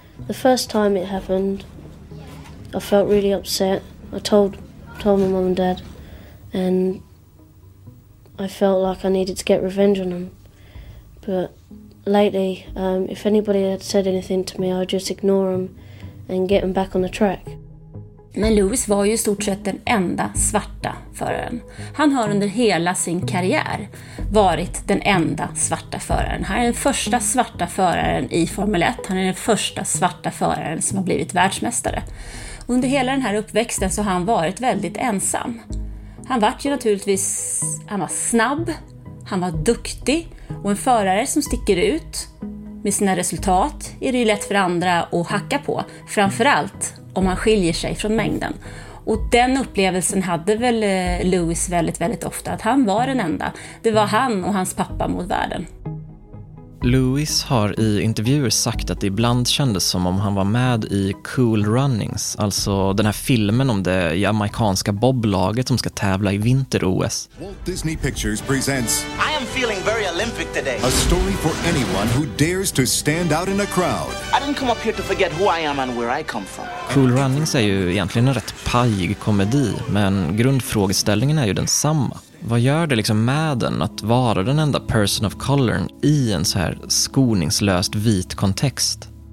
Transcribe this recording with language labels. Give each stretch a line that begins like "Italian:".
English: The first time it happened I felt really upset. I told my mom and dad and I felt like I needed to get revenge on them. But lately if anybody had said anything to me I'd just ignore them and get them back on the track.
Swedish: Men Louis var ju i stort sett den enda svarta föraren. Han har under hela sin karriär varit den enda svarta föraren. Han är den första svarta föraren i Formel 1. Han är den första svarta föraren som har blivit världsmästare. Under hela den här uppväxten så har han varit väldigt ensam. Han var ju naturligtvis, han var snabb, han var duktig och en förare som sticker ut med sina resultat är det ju lätt för andra att hacka på. Framförallt om man skiljer sig från mängden. Och den upplevelsen hade väl Louis väldigt, väldigt ofta. Att han var den enda. Det var han och hans pappa mot världen. Louis har i intervjuer sagt att det ibland kändes som om han var med i Cool Runnings. Alltså den här filmen om det jamaikanska boblaget som ska tävla i vinter-OS.
English: Walt Disney Pictures presents... I am feeling very Olympic today. A story for anyone who dares to stand out in a crowd. I didn't come up here to forget who I am and where I come from.
Swedish: Cool Runnings är ju egentligen en rätt pajig komedi, men grundfrågeställningen är ju densamma. Vad gör det liksom med den att vara den enda
English: person of color
Swedish: i en så här skoningslöst vit kontext?